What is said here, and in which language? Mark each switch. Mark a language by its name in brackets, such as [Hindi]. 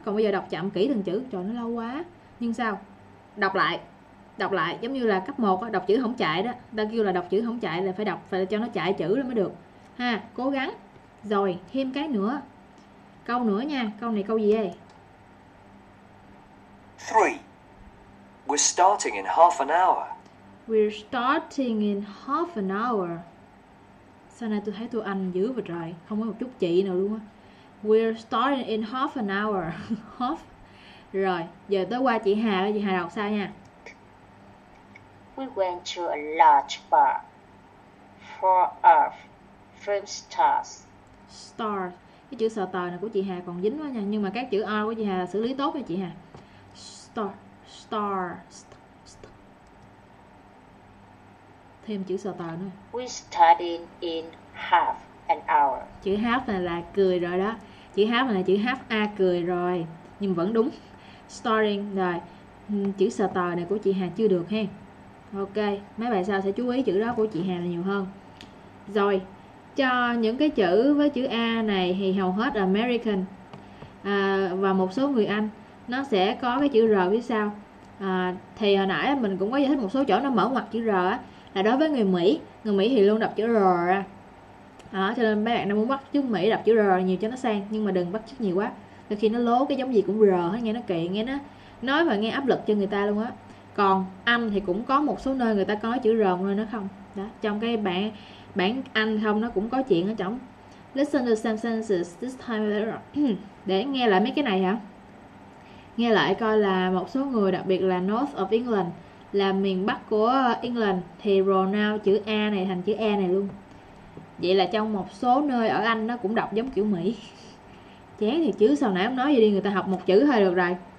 [Vietnamese] Còn bây giờ đọc chậm kỹ từng chữ, trời nó lâu quá. Nhưng sao? Đọc lại giống như là cấp 1 đọc chữ không chạy đó. Ta kêu là đọc chữ không chạy là phải đọc, phải cho nó chạy chữ rồi mới được. Ha, cố gắng. Rồi, thêm cái nữa. Câu nữa nha, câu này câu gì đây? [English] 3. We're starting in half an hour. We're starting in half an hour. [Vietnamese] Sau này tôi thấy tôi ăn dữ vậy trời, không có một chút chị nào luôn á. [English] We're starting in half an hour. [Vietnamese] Rồi, giờ tới qua chị Hà, chị Hà đọc sao nha. [English] We went to a large bar for our film stars. Star. [Vietnamese] Cái chữ sờ tờ này của chị Hà còn dính quá nha, nhưng mà các chữ R của chị Hà xử lý tốt nha chị Hà. [English] Star, star, [Vietnamese] thêm chữ sờ tờ nữa. [English] We studied in half an hour. [Vietnamese] Chữ half này là cười rồi đó, chữ half này là chữ half a cười rồi, nhưng vẫn đúng. Starring rồi, chữ sờ tờ này của chị Hà chưa được ha. Ok, mấy bài sau sẽ chú ý chữ đó của chị Hà là nhiều hơn. Rồi, cho những cái chữ với chữ a này thì hầu hết là American, và một số người Anh nó sẽ có cái chữ r phía sau. Thì hồi nãy mình cũng có giải thích một số chỗ nó mở ngoặc chữ r á, là đối với người Mỹ thì luôn đọc chữ r ra đó, cho nên mấy bạn nó muốn bắt chữ Mỹ đọc chữ r nhiều cho nó sang, nhưng mà đừng bắt chước nhiều quá, đôi khi nó lố cái giống gì cũng r hết, nghe nó kỳ, nghe nó nói và nghe áp lực cho người ta luôn á. Còn Anh thì cũng có một số nơi người ta có chữ r, một nơi nó không đó, trong cái bảng bảng Anh không, nó cũng có chuyện ở trong. [English] Listen to some sentences this time. [Vietnamese] Để nghe lại mấy cái này hả, nghe lại coi là một số người, đặc biệt là [English] North of England, [Vietnamese] là miền Bắc của England, thì pronoun chữ A này thành chữ E này luôn. Vậy là trong một số nơi ở Anh nó cũng đọc giống kiểu Mỹ. Chán thì chứ, sau nãy ông nói gì đi, người ta học một chữ thôi được rồi.